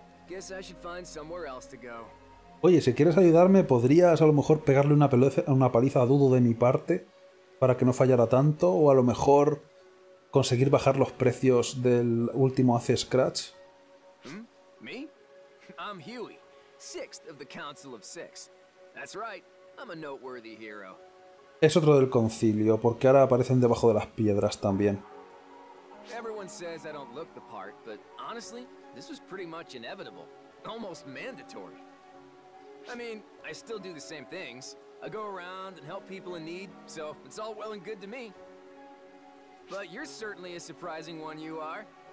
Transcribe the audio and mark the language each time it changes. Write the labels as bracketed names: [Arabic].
[English] Guess I should find somewhere else to go. [Spanish] Oye, si quieres ayudarme, ¿podrías a lo mejor pegarle una paliza a Dudu de mi parte? Para que no fallara tanto, o a lo mejor conseguir bajar los precios del último AC Scratch. [English] ¿Me? I'm Huey, sixth of the Council of Six. That's right, I'm a noteworthy hero. [Spanish] Es otro del concilio, porque ahora aparecen debajo de las piedras también. [English] Everyone says I don't look the part, but honestly, this was pretty much inevitable, almost mandatory. I mean, I still do the same things. I go around and help people in need, so it's all well and good to me. But you're certainly a surprising one, you are.